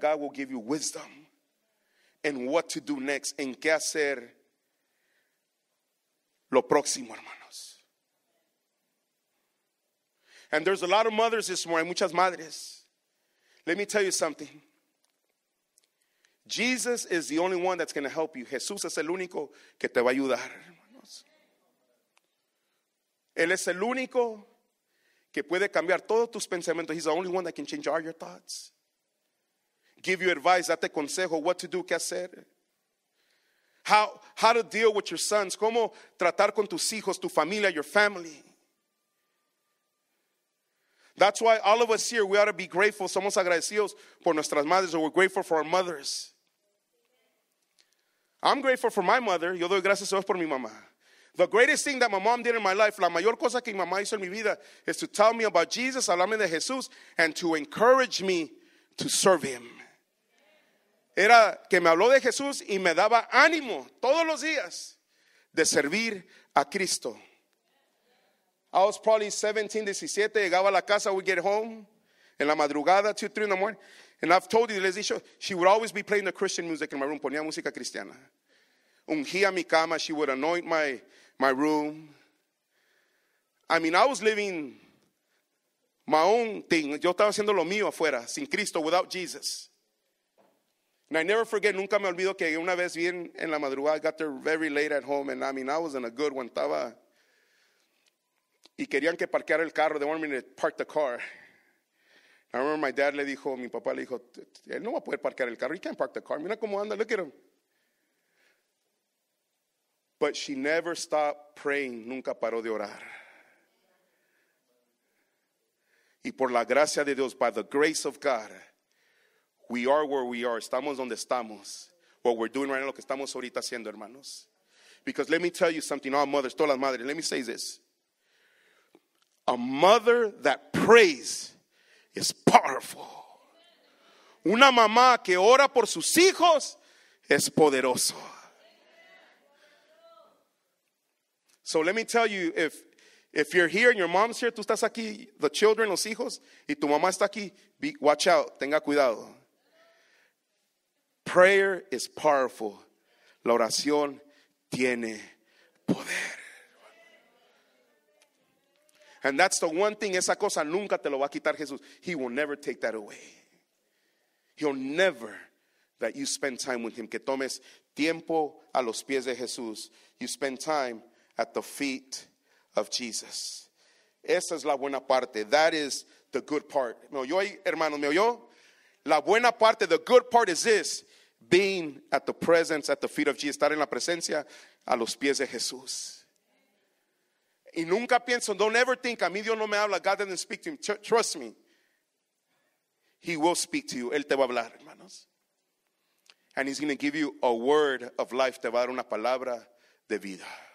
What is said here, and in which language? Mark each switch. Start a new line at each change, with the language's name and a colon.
English: God will give you wisdom in what to do next.
Spanish: En qué hacer lo próximo, hermanos.
English: And there's a lot of mothers this morning,
Spanish: muchas madres.
English: Let me tell you something. Jesus is the only one that's going to help you.
Spanish: Jesús es el único que te va a ayudar. Él es el único que puede cambiar todos tus pensamientos.
English: He's the only one that can change all your thoughts. Give you advice,
Spanish: date consejo,
English: what to do,
Spanish: qué hacer.
English: How to deal with your sons,
Spanish: cómo tratar con tus hijos, tu familia,
English: your family. That's why all of us here, we ought to be grateful.
Spanish: Somos agradecidos por nuestras madres,
English: or we're grateful for our mothers. I'm grateful for my mother.
Spanish: Yo doy gracias a Dios por mi mamá.
English: The greatest thing that my mom did in my life,
Spanish: la mayor cosa que mi mamá hizo en mi vida,
English: is to tell me about Jesus,
Spanish: hablarme de Jesús,
English: and to encourage me to serve Him.
Spanish: Era que me habló de Jesús y me daba ánimo todos los días de servir a Cristo.
English: I was probably 17, 17,
Spanish: llegaba a la casa,
English: we get home,
Spanish: En la madrugada,
English: 2, 3 in the morning. And I've told you,
Spanish: les he
English: show, she would always be playing the Christian music in my room.
Spanish: Ponía música cristiana. Ungía mi cama.
English: She would anoint my room. I mean, I was living my own thing.
Spanish: Yo estaba haciendo lo mío afuera, sin Cristo,
English: without Jesus. And I never forget,
Spanish: nunca me olvido que una vez bien en la madrugada,
English: I got there very late at home, and I mean, I was in a good one.
Spanish: Estaba, y querían que parqueara el carro.
English: They wanted me to park the car. I remember my dad
Spanish: le dijo, mi papá le dijo, él no va a poder parquear el carro.
English: He can't park the car.
Spanish: Mira cómo anda,
English: look at him. But she never stopped praying.
Spanish: Nunca paró de orar. Y por la gracia de Dios,
English: by the grace of God, we are where we are.
Spanish: Estamos donde estamos.
English: What we're doing right now,
Spanish: lo que estamos ahorita haciendo, hermanos.
English: Because let me tell you something, all mothers,
Spanish: todas las madres,
English: let me say this. A mother that prays is powerful.
Spanish: Una mamá que ora por sus hijos es poderoso.
English: So let me tell you, if you're here and your mom's here,
Spanish: tú estás aquí,
English: the children,
Spanish: los hijos, y tu mamá está aquí,
English: watch out,
Spanish: tenga cuidado.
English: Prayer is powerful.
Spanish: La oración tiene poder.
English: And that's the one thing,
Spanish: esa cosa nunca te lo va a quitar Jesús.
English: He will never take that away. He'll never, that you spend time with him,
Spanish: que tomes tiempo a los pies de Jesús.
English: You spend time at the feet of Jesus.
Spanish: Esa es la buena parte.
English: That is the good part.
Spanish: ¿Me oyó, hermano? ¿Me oyó? La buena parte,
English: the good part is this. Being at the presence, at the feet of Jesus.
Spanish: Estar en la presencia, a los pies de Jesús. Y nunca pienso,
English: don't ever think,
Spanish: a mí Dios no me habla.
English: God doesn't speak to him. Trust me. He will speak to you.
Spanish: Él te va a hablar, hermanos.
English: And he's going to give you a word of life.
Spanish: Te va a dar una palabra de vida.